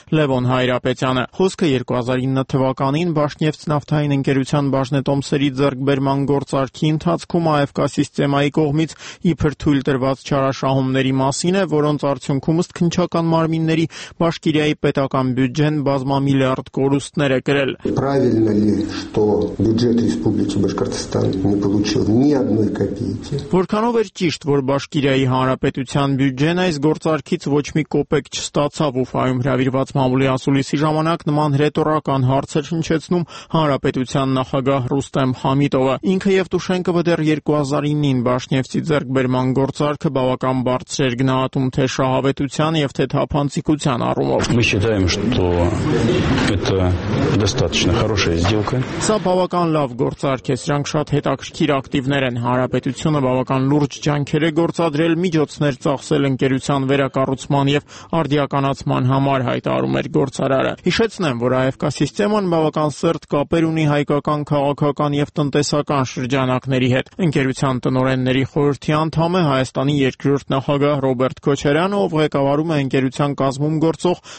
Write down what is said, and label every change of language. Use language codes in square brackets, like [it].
[hy] Լևոն Հայրապետյանը։ Խոսքը 2009 թվականին Բաշնևց նավթային ընկերության բաժնետոմսերի ձեռքբերման գործարքի ընթացքում ԱՖԿ համակարգի կողմից իբր թույլ տրված չարաշահումների մասին է, որոնց արդյունքում ըստ քնչական մարմինների Բաշկիրիայի պետական բյուջեն բազմամիլիարդ կորուստներ է կրել։ [ru] Правильно ли, что бюджет Республики Башкортостан не получил ни одной копейки? [hy] Որքանով է ճիշտ, որ Բաշկիրիայի հանրապետության բյուջեն այս գործարքից ոչ մի կոպեկ չստացավ Ուֆայում հրավիրված մամուլի ասուլիսի ժամանակ, նման ռետորական հարցեր շնչեցնում հանրապետության նախագահ Ռուստեմ Համիտովը։ Ինքը Եվտուշենկովը դեռ 2009-ին Բաշնևցի ձեռքբերման գործարքը բավական բարձր էր գնահատում թե շահավետության եւ թե թափանցիկության առումով։ [ru] Մի считаем, что это достаточно хорошая сделка։ [hy] Սա բավական լավ գործարք է, սրանք շատ հետաքրքիր ակտիվներ են, հանրապետությունը բավական լուրջ ջանքեր է գործադրել միջոցներ ծախսել ընկերության վերակառուցման եւ արդիականացման համար, հայտարարում էր գործարարը։ Հիշեցնեմ, որ ԱՖԿ համակարգը բավական սերտ կապեր ունի հայկական քաղաքական եւ տնտեսական շրջանակների հետ։ Ընկերության տնօրենների խորհրդի անդամ է Հայաստանի երկրորդ նախագահ Ռոբերտ Քոչարյանը, ով ղեկավարում է ընկերության կազմում գործող